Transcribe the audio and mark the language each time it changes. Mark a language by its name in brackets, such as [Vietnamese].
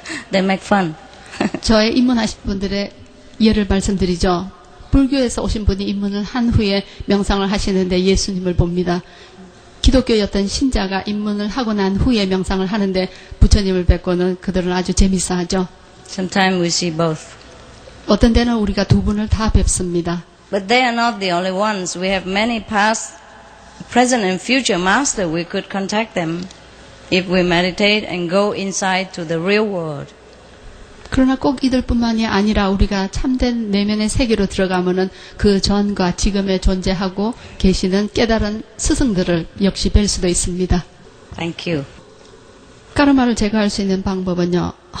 [English] They make fun. [Korean] 저의 입문하신 분들의 예를 말씀드리죠. 불교에서 오신 분이 입문을 한 후에 명상을 하시는데 예수님을 봅니다. 기독교였던 신자가 입문을 하고 난 후에 명상을 하는데 부처님을 뵙고는 그들은 아주 재미있어하죠. [English] Sometimes we see both. [Korean] 어떤 때는 우리가 두 분을 다 뵙습니다. [English] But they are not the only ones. We have many past, present and future masters. We could contact them if we meditate and go inside to the real world. [Korean] 그러나 꼭 이들뿐만이 아니라 우리가 참된 내면의 세계로 들어가면은 그 전과 지금에 존재하고 계시는 깨달은 스승들을 역시 뵐 수도 있습니다. [English] Thank you. [Korean] 까르마를 제거할 수 있는 방법은요.